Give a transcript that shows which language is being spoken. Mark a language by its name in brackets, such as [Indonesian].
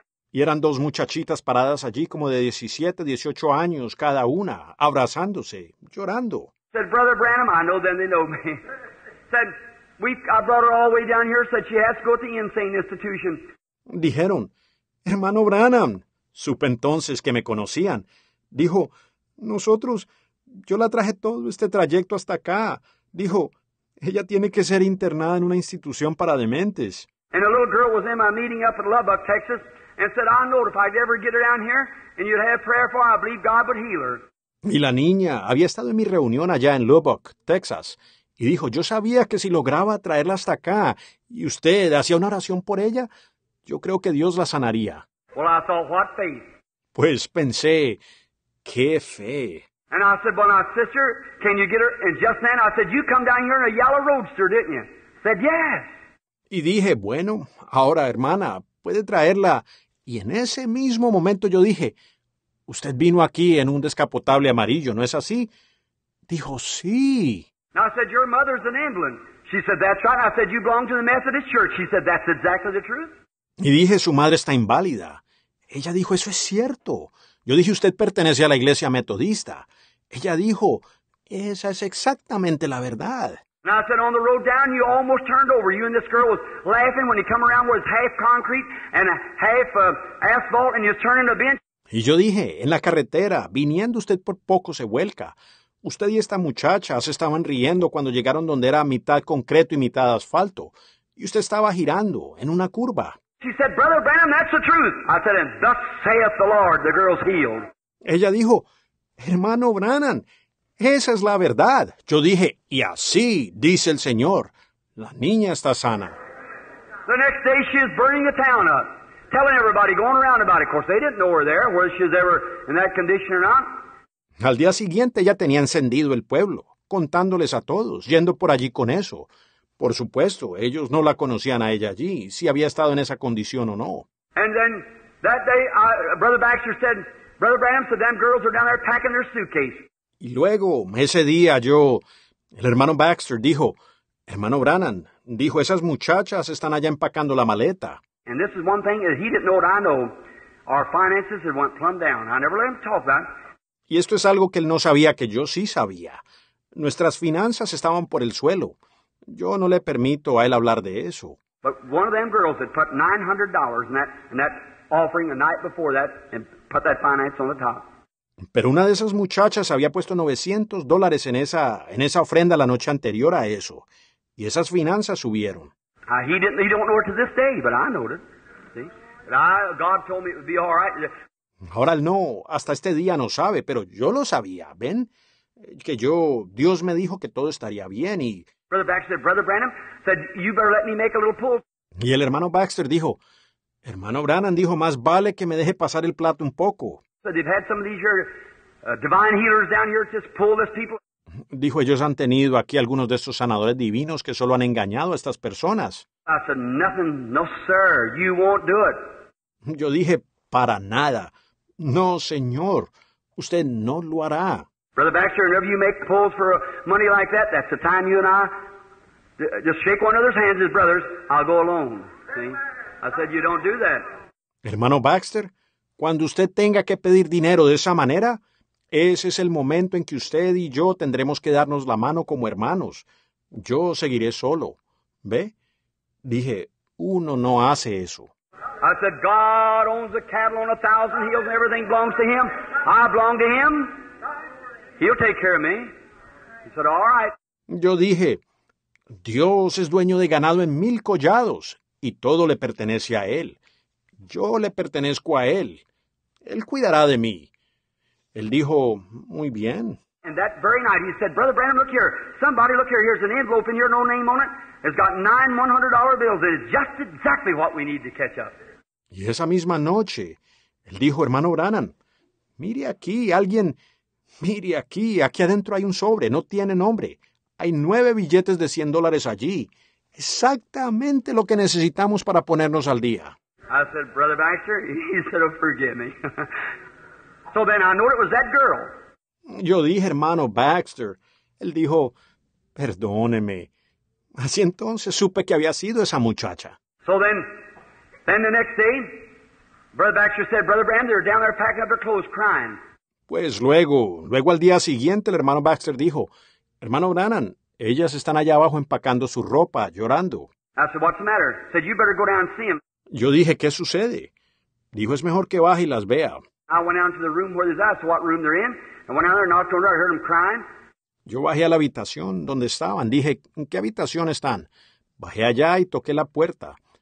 [Spanish] Y eran dos muchachitas paradas allí como de 17, 18 años cada una, abrazándose, llorando. [English] Said, Brother Branham, I know them, they know me. Said, I brought her all the way down here, said she has to go to the insane institution. [Spanish] Dijeron, hermano Branham, supe entonces que me conocían. Dijo, nosotros, yo la traje todo este trayecto hasta acá. Dijo, ella tiene que ser internada en una institución para dementes. [English] And a little girl was in my meeting up in Lubbock, Texas, and said, I know if I'd ever get her down here and you'd have prayer for her, I believe God would heal her. [Spanish] Y la niña había estado en mi reunión allá en Lubbock, Texas. Y dijo, yo sabía que si lograba traerla hasta acá y usted hacía una oración por ella, Yo creo que Dios la sanaría. [English] Well, I thought, what faith? [Spanish] Pues pensé, ¿qué fe? [English] And I said, well, now, sister, can you get her? And just then I said, you come down here in a yellow roadster, didn't you? Said, yes. [Spanish] Y dije, bueno, ahora, hermana, puede traerla. Y en ese mismo momento yo dije, usted vino aquí en un descapotable amarillo, ¿no es así? Dijo, sí. [English] Now, I said, your mother's an Emblem. She said, that's right. I said, you belong to the Methodist Church. She said, that's exactly the truth. [Spanish] Y dije, su madre está inválida. Ella dijo, eso es cierto. Yo dije, usted pertenece a la iglesia metodista. Ella dijo, esa es exactamente la verdad. [English] Now, I said, on the road down, you almost turned over. You and this girl was laughing when you come around where it's half concrete and half asphalt and you're turning a bench. [Spanish] Y yo dije, en la carretera, viniendo usted por poco se vuelca. Usted y esta muchacha se estaban riendo cuando llegaron donde era mitad concreto y mitad asfalto. Y usted estaba girando en una curva. [English] She said, Brother Branham, that's the truth. I said, and thus saith the Lord, the girl's healed. [Spanish] Ella dijo, hermano Branham, esa es la verdad. Yo dije, y así dice el Señor, la niña está sana. [English] The next day she is burning the town up, telling everybody, going around about it. Of course, they didn't know her there, whether she was ever in that condition or not. [Spanish] Al día siguiente ya tenía encendido el pueblo, contándoles a todos, yendo por allí con eso. Por supuesto, ellos no la conocían a ella allí, si había estado en esa condición o no. [English] And then that day, Brother Baxter said, Brother Branham said, them girls are down there packing their suitcase. [Spanish] Y luego, ese día yo, el hermano Baxter dijo, hermano Branham, dijo, esas muchachas están allá empacando la maleta. [English] And this is one thing that he didn't know what I know. Our finances had went plumb down. I never let him talk about it. [Spanish] Y esto es algo que él no sabía que yo sí sabía. Nuestras finanzas estaban por el suelo. Yo no le permito a él hablar de eso. [English] But one of them girls had put $900 in that offering the night before that and put that finance on the top. [Spanish] Pero una de esas muchachas había puesto $900 en esa ofrenda la noche anterior a eso. Y esas finanzas subieron. [English] He don't know it to this day, but I noted. See? God told me it would be all right. [Spanish] Ahora él no, hasta este día no sabe, pero yo lo sabía, ¿ven? Que yo, Dios me dijo que todo estaría bien y... [English] Brother Baxter, Brother Branham said, you better let me make a little pull. [Spanish] Y el hermano Baxter dijo, hermano Branham dijo, más vale que me deje pasar el plato un poco. [English] So they've had some of these divine healers down here just pull this people. [Spanish] Dijo, ellos han tenido aquí algunos de estos sanadores divinos que solo han engañado a estas personas. [English] I said, nothing, no sir, you won't do it. [Spanish] Yo dije, para nada. No, señor, usted no lo hará. [English] Brother Baxter, whenever you make pulls for money like that, that's the time you and I just shake one another's hands as brothers. I'll go alone. See? I said, you don't do that. [Spanish] Hermano Baxter, cuando usted tenga que pedir dinero de esa manera, ese es el momento en que usted y yo tendremos que darnos la mano como hermanos. Yo seguiré solo. ¿Ve? Dije, uno no hace eso. [English] I said, God owns the cattle on 1,000 hills and everything belongs to him. I belong to him. He'll take care of me. He said, all right. [Spanish] Yo dije, Dios es dueño de ganado en 1,000 collados y todo le pertenece a él. Yo le pertenezco a él. Él cuidará de mí. Él dijo, muy bien. [English] And that very night he said, Brother Branham, look here. Somebody look here. Here's an envelope and your no name on it. It's got 9 $100 bills. It is just exactly what we need to catch up. [Spanish] Y esa misma noche, él dijo, hermano Branham, mire aquí, alguien, mire aquí, aquí adentro hay un sobre, no tiene nombre. Hay 9 billetes de $100 allí. Exactamente lo que necesitamos para ponernos al día. [English] I said, Brother Baxter, he said, oh, forgive me. So then I knew it was that girl. [Spanish] Yo dije, hermano Baxter, él dijo, perdóneme. Así entonces supe que había sido esa muchacha. [English] So then the next day, Brother Baxter said, Brother Branham, they're down there packing up their clothes, crying. [Spanish] Pues luego al día siguiente, el hermano Baxter dijo, hermano Branham, ellas están allá abajo empacando su ropa, llorando. [English] I said, what's the matter? He said, you better go down and see them. [Spanish] Yo dije, ¿qué sucede? Dijo, es mejor que baje y las vea. [English] I went down to the room where they are, so what room they're in. I went down there and knocked on the door, I heard them crying. [Spanish] Yo bajé a la habitación donde estaban. Dije, ¿en qué habitación están? Bajé allá y toqué la puerta.